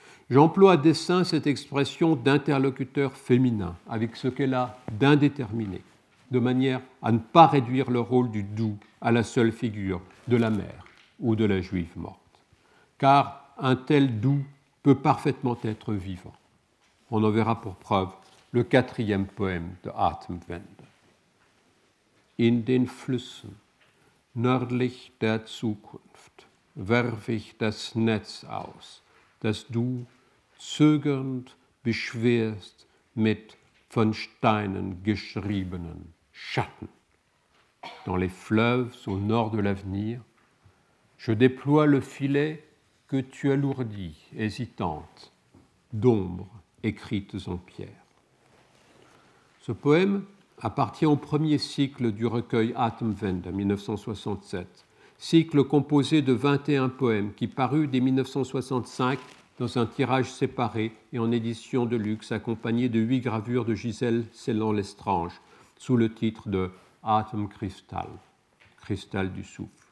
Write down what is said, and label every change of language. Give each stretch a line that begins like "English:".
French: J'emploie à dessein cette expression d'interlocuteur féminin avec ce qu'elle a d'indéterminé, de manière à ne pas réduire le rôle du doux à la seule figure de la mère ou de la juive morte. Car un tel doux peut parfaitement être vivant. On en verra pour preuve le quatrième poème de Atemwende.
German: In den Flüssen, nördlich der Zukunft, werf ich das Netz aus, das du zögernd beschwerst mit von Steinen geschriebenen Schatten.
French: Dans les fleuves au nord de l'avenir, je déploie le filet que tu alourdis, hésitante, d'ombres écrites en pierre. Ce poème appartient au premier cycle du recueil Atemwende, 1967, cycle composé de 21 poèmes qui parut dès 1965 dans un tirage séparé et en édition de luxe accompagné de 8 gravures de Gisèle Celan-Lestrange sous le titre de Atemkristall, Cristal du souffle.